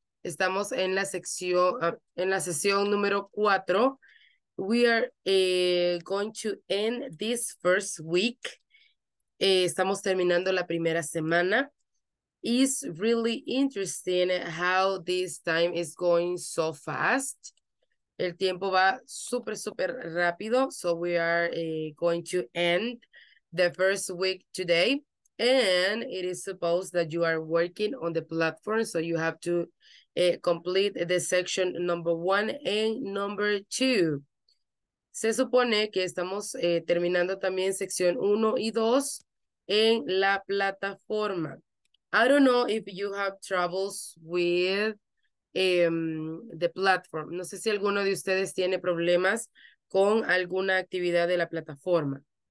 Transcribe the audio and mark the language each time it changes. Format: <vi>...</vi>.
<es>Estamos en la sección, en la sesión número 4.</es> <en>We are going to end this first week.</en> <es>Estamos terminando la primera semana.</es> <en>It's really interesting how this time is going so fast.</en> <es>El tiempo va súper, súper rápido.</es> <en>So we are going to end the first week today. And it is supposed that you are working on the platform, so you have to complete the section number 1 and number 2.</en> <es>Se supone que estamos terminando también sección 1 y 2 en la plataforma.</es> <en>I don't know if you have troubles with the platform.</en> <es>No sé si alguno de ustedes tiene problemas con alguna actividad de la plataforma.</es>